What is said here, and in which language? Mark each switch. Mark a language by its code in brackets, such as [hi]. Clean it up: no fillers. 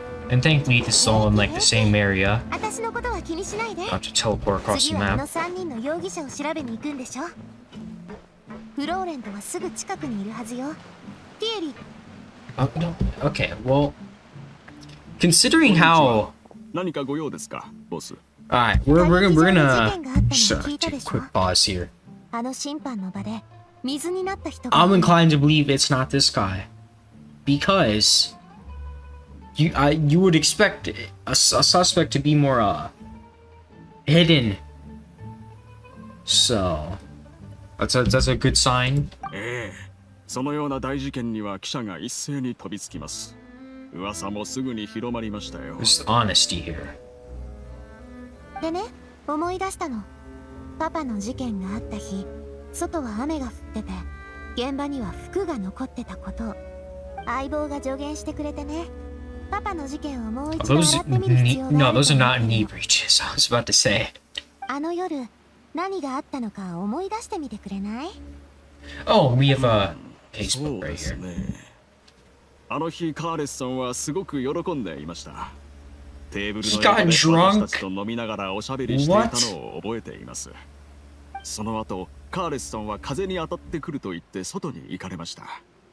[en] And thankfully, this is all in like the same area. About to teleport across the map. [ja] 次はあの3人の容疑者を調べに行くんでしょ？フローレントはすぐ近くにいるはずよ。ティエリー。 [en] あ、no. Okay, well, considering how. [ja] 何かご用ですか、ボス。 [en] Alright, we're gonna. Just a quick pause here. [ja] あの審判の場で水になった人が。 [en] I'm inclined to believe it's not this guy. Because. You would expect a suspect to be more, hidden. So. That's a good sign. [ja] ええ、そのような大事件には記者が一斉に飛びつきます。噂もすぐに広まりましたよ。 [en] Just honesty here. [ja] でね、思い出したの。パパの事件があった日、外は雨が降ってて、現場には服が残ってたこと。相棒が助言してくれてね。パパの事件をもう一度洗ってみる必要があるんだけど。 [en] No, those are not knee breaches. I was about to say. [ja] あの夜。何があったのか思い出してみてくれない？ [en] Oh, we have a Facebook right here. [ja] あの日カーレスさんはすごく喜んでいました。テーブルの上でたちと飲みながらおしゃべりしていたのを覚えています。その後カーレスさんは風に当たってくると言って外に行かれました。